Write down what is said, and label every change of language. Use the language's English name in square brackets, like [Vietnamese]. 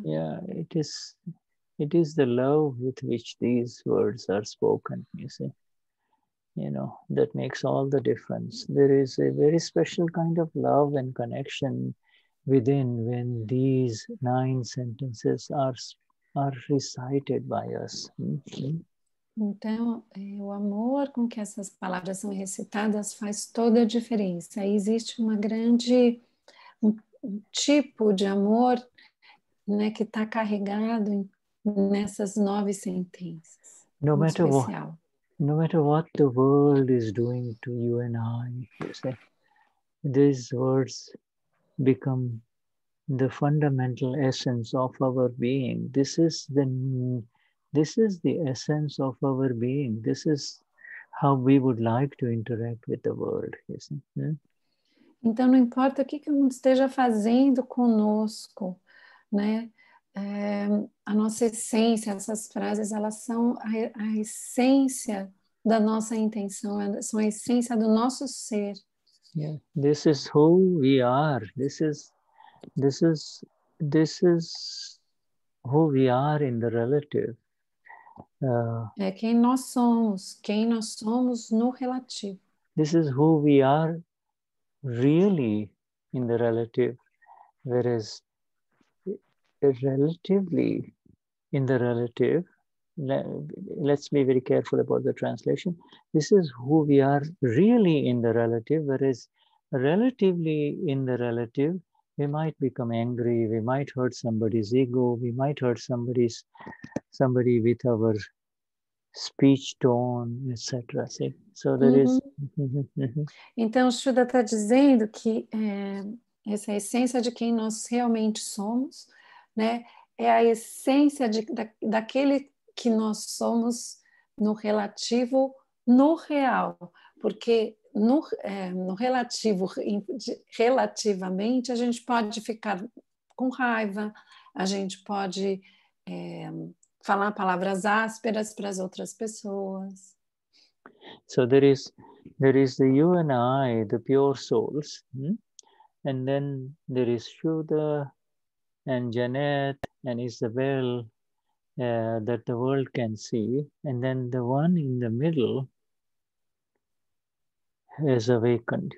[English] Yeah, it is the love with which these words are spoken, you see. You know, that makes all the difference. There is a very special kind of love and connection within when these nine sentences are recited by us. Mm-hmm. [Portuguese] Então, o amor com que essas palavras são recitadas faz toda a diferença. Existe uma grande tipo de amor, né, que está carregado nessas nove sentenças. [English] No matter what. No matter what the world is doing to you and I, you see, these words become the fundamental essence of our being. This is the essence of our being. This is how we would like to interact with the world, you see. Hmm? [Portuguese] Então, não importa o que o mundo esteja fazendo conosco, né? A nossa essência, essas frases, elas são a essência da nossa intenção, são a essência do nosso ser. [English] Yeah. This is who we are. This is who we are in the relative. [Portuguese] É quem nós somos. Quem nós somos no relativo. [English] This is who we are really in the relative. Whereas relatively in the relative, let's be very careful about the translation. This is who we are really in the relative, whereas relatively in the relative, we might become angry, we might hurt somebody's ego, we might hurt somebody with our speech tone, etc. See? So there is. [Portuguese] Então, o Shuddha está dizendo que essa é a essência de quem nós realmente somos, né? É a essência daquele que nós somos no relativo, no real. Porque no relativo, relativamente, a gente pode ficar com raiva, a gente pode falar palavras ásperas para as outras pessoas. [English] So there is the you and I, the pure souls. And then there is Shuddha and Jeanette and Isabel that the world can see. And then the one in the middle has awakened.